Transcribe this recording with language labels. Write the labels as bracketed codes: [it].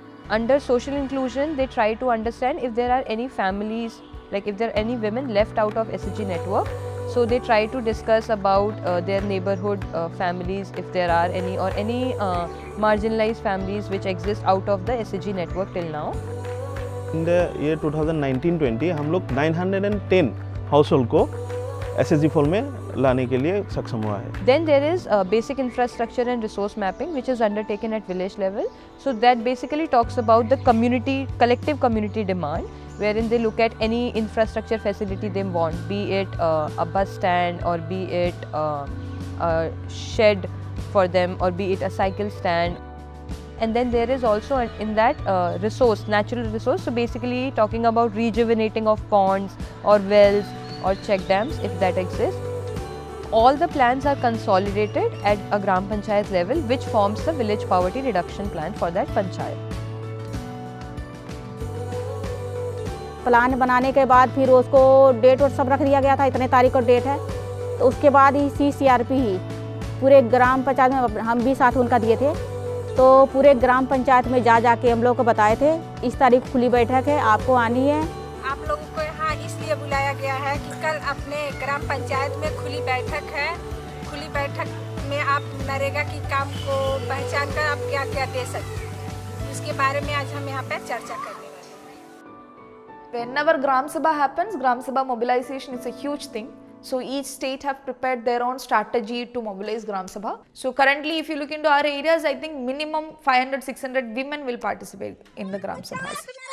[en] Under social inclusion, they try to understand if there are any families, like if there are any women left out of SSG network. So they try to discuss about their neighborhood families, if there are any, or any marginalized families which exist out of the SSG network till now. In the year 2019-20, [hi] हम लोग 910 household को SSG form में लाने के लिए सक्षम हुआ है. [en] Then there is basic infrastructure and resource mapping which is undertaken at village level. So that basically talks about the community, collective community demand, wherein they look at any infrastructure facility they want, be it a bus stand or be it a shed for them or be it a cycle stand. And then there is also in that resource, natural resource, so basically talking about rejuvenating of ponds or wells or check dams if that exists. All the plans are consolidated at a Gram Panchayat level, which forms the village poverty reduction plan for that panchayat. [hi] Plan बनाने के बाद फिर उसको date और सब रख दिया गया था, इतने तारीख और डेट है, तो उसके बाद ही सीसीआरपी ही पूरे ग्राम पंचायत में, हम भी साथ उनका दिए थे, तो पूरे ग्राम पंचायत में जा जा के हम लोग को बताए थे इस तारीख खुली बैठक है, आपको आनी है. आप लोगों को यहाँ इसलिए बुलाया गया है कि कल अपने ग्राम पंचायत में खुली बैठक है. खुली बैठक में आप नरेगा के काम को पहचान कर आप क्या क्या दे सकते, उसके बारे में आज हम यहाँ पे चर्चा करें. [en] Whenever Gram Sabha happens, Gram Sabha mobilization is a huge thing. So each state have prepared their own strategy to mobilize Gram Sabha. So currently, if you look into our areas, I think minimum 500-600 women will participate in the Gram Sabhas.